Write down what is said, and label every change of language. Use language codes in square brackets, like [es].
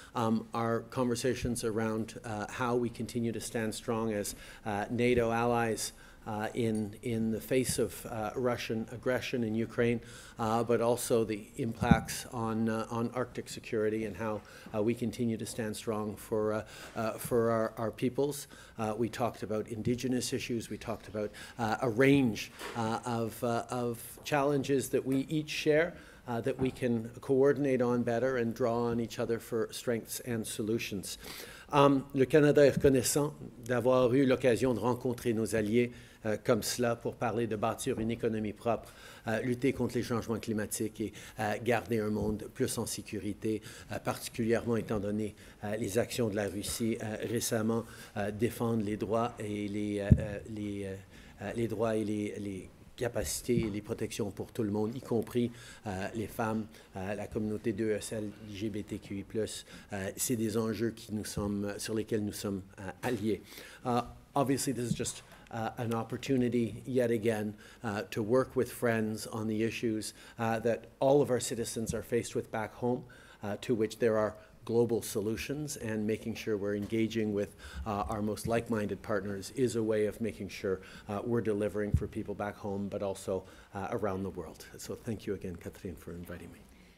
[en] Our conversations around how we continue to stand strong as NATO allies in the face of Russian aggression in Ukraine, but also the impacts on Arctic security and how we continue to stand strong for our peoples. We talked about indigenous issues. We talked about a range of challenges that we each share that we can coordinate on better and draw on each other for strengths and solutions. [fr] Le Canada est reconnaissant d'avoir eu l'occasion de rencontrer nos alliés comme cela pour parler de bâtir une économie propre, lutter contre les changements climatiques et garder un monde plus en sécurité, particulièrement étant donné les actions de la Russie récemment, défendre les droits et les droits et les capacités et les protections pour tout le monde, y compris les femmes, la communauté de LGBTQI+, c'est des enjeux qui nous sommes, sur lesquels nous sommes alliés. [en] Obviously, this is just an opportunity yet again to work with friends on the issues that all of our citizens are faced with back home, to which there are global solutions, and making sure we're engaging with our most like-minded partners is a way of making sure we're delivering for people back home, but also around the world. So thank you again, Catherine, for inviting me.